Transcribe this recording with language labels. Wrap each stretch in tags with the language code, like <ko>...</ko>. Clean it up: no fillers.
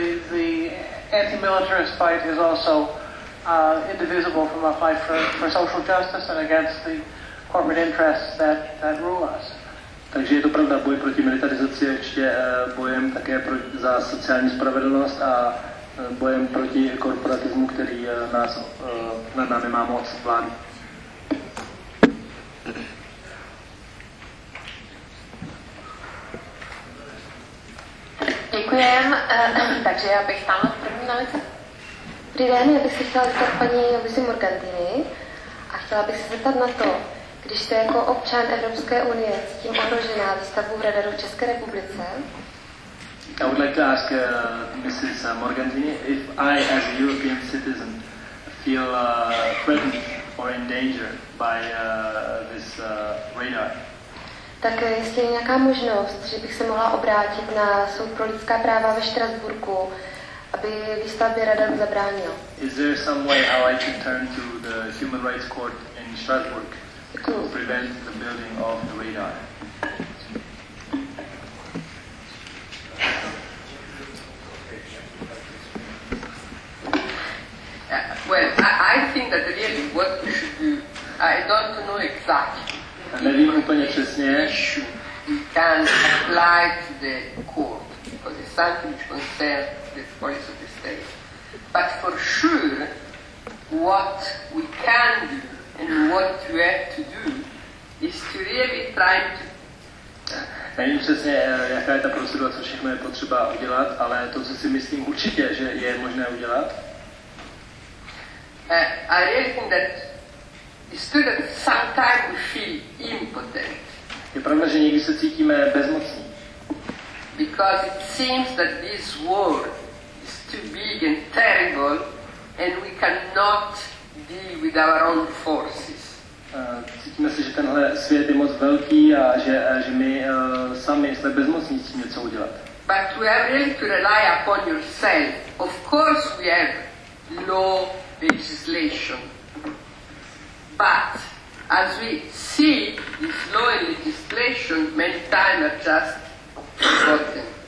<en>The anti-militarist fight is also indivisible from a fight for social justice and against the corporate interests that rule us.</en> <cs>Takže je to pravda, boj proti militarizaci je ještě bojem také za sociální spravedlnost a bojem proti korporatismu, který nás nad námi má moc vlády. Děkujem. Takže já bych tam první na lice. Dobrý den, já bych se chtěla zeptat paní Luisi Morgantini a chtěla bych se zeptat na to, když jste jako občan Evropské unie s tím ohrožená výstavbu radarů v České republice.</cs> <en>I would like to ask Mrs. Morgantini if I, as a European citizen, feel threatened or in danger by this radar.</en> <cs>Tak jestli je nějaká možnost, že bych se mohla obrátit na Soud pro lidská práva ve Štrasburku, aby výstavbě radarů zabránil.</cs> <en>Is there some way how I can turn to the Human Rights Court in Strasbourg to prevent the building of the radar? Well, I think that really what we should do, I don't know exactly.</en> <cs>Nevím úplně přesně.</cs> <en>can apply to the court, because it's something which concerns the policy of the state. But for sure, what we can do and what we have to do is to really try to...</en> <cs>Nevím přesně, jaká je ta procedura, co všechno je potřeba udělat, ale to, co si myslím určitě, že je možné udělat.</cs> <en>I really think that the students sometimes feel impotent.</en> <cs>Je pravda, že někdy se cítíme bezmocní.</cs> <en>Because it seems that this world is too big and terrible and we cannot deal with our own forces.</en> <cs>Cítíme se, že tenhle svět je moc velký a že my sami jsme bezmocní s tím něco udělat.</cs> <en>But we have really to rely upon yourself. Of course we have law legislation. But as we see, this law and legislation many times are just forgotten.</en>